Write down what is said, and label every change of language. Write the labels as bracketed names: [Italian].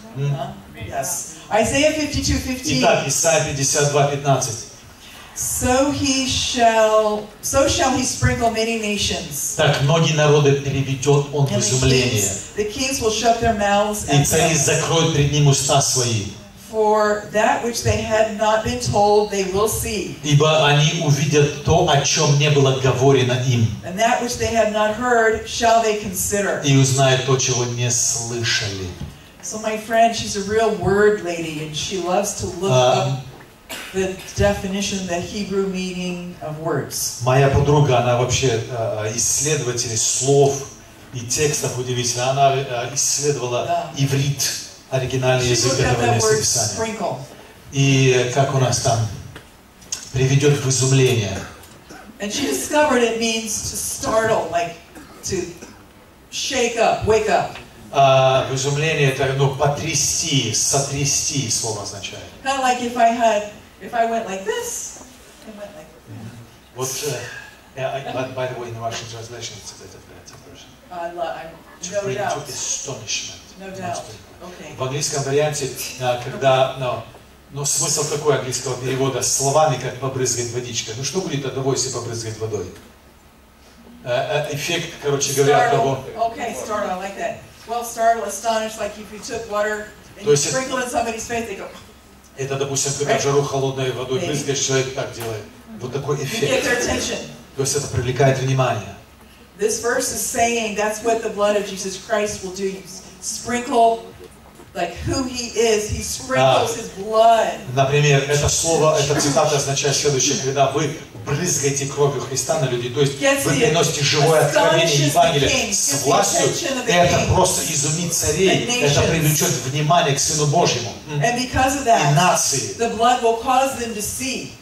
[English] Yes. Isaiah 52:15. [Russian] Итак, Исайя 52:15. [English] So shall he sprinkle many nations. [Russian] Так многие народы переведет он в изумление. [English] The kings will shut their mouths. [Russian] И цари закроют пред ним уста свои. [English] For that which they had not been told, they will see. [Russian] Ибо они увидят то, о чем не было говорено им. [English] And that which they had not heard, shall they consider. [Russian] И узнают то, чего не слышали. [English] So my friend, she's a real word lady, and she loves to look up the definition, the Hebrew meaning of words. [Russian] Моя подруга, она вообще исследователь слов и текстов удивительно. Она исследовала иврит, оригинальный язык этого местописания. И как у нас там приведет в изумление. [English] And she discovered it means to startle, like to shake up, wake up. [Russian] В изумлении это потрясти, сотрясти слово означает. [English] Kind of like if I had But by the way, in the Russian translation, it's a bit of a different version. To bring astonishment. No doubt. [Russian] В английском варианте, когда, смысл такой английского перевода словами, как побрызгать водичкой. Ну что будет от того, если побрызгать водой? Эффект, короче говоря, [English] startle. [Russian] Того. [English] Okay, startle, I like that. Well, startle, astonished, like if you took water and you sprinkle it in somebody's face, they go. [Russian] Это, допустим, когда в жару холодной водой брызгаешь, человек так делает. Вот такой эффект. То есть это привлекает внимание. [English] This verse is saying that's what the blood of Jesus Christ will do. Sprinkle, like who he is, he sprinkles his blood. [Russian] Например, это слово, эта цитата означает следующее. Когда вы брызгаете кровью Христа на людей, то есть вы приносите живое откровение Евангелия с властью, это просто изумит царей, это привлечет внимание к Сыну Божьему и нации.